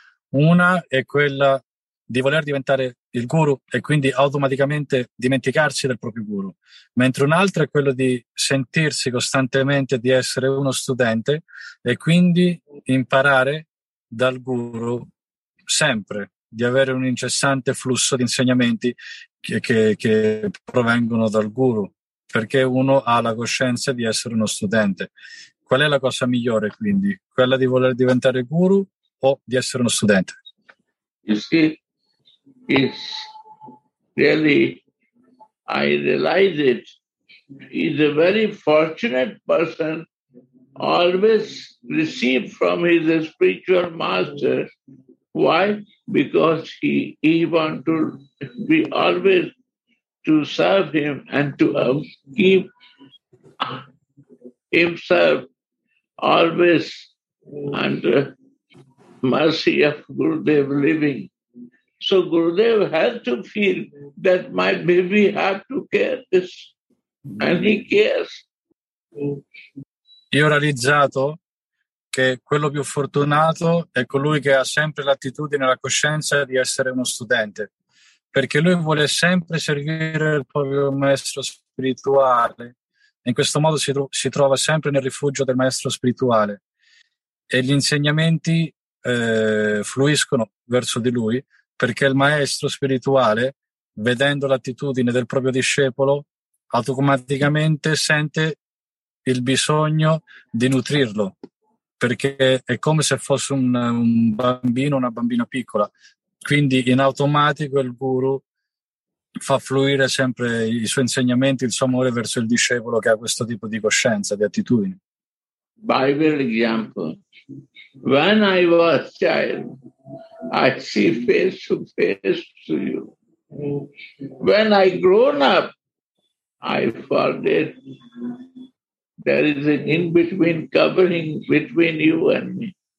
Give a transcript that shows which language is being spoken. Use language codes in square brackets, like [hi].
[it] Una è quella di voler diventare il guru e quindi automaticamente dimenticarsi del proprio guru, mentre un'altra è quella di sentirsi costantemente di essere uno studente e quindi imparare dal guru sempre, di avere un incessante flusso di insegnamenti che provengono dal guru, perché uno ha la coscienza di essere uno studente. Qual è la cosa migliore, quindi? Quella di voler diventare guru o di essere uno studente? [en] You see, it's really, I realize it, is a very fortunate person, always receive from his spiritual master. Why? Because he want to be always to serve him and to keep himself always under mercy of Gurudev living. So Gurudev has to feel that my baby has to care this, and he cares. [it] Io ho realizzato che quello più fortunato è colui che ha sempre l'attitudine e la coscienza di essere uno studente, perché lui vuole sempre servire il proprio maestro spirituale. In questo modo si trova sempre nel rifugio del maestro spirituale e gli insegnamenti fluiscono verso di lui, perché il maestro spirituale, vedendo l'attitudine del proprio discepolo, automaticamente sente il bisogno di nutrirlo, perché è come se fosse un bambino, una bambina piccola. Quindi in automatico il guru fa fluire sempre i suoi insegnamenti, il suo amore verso il discepolo che ha questo tipo di coscienza, di attitudine. [en] By the example, when I was child, I see face to face to you. When I grown up, I forget. There is an in-between covering between you and me.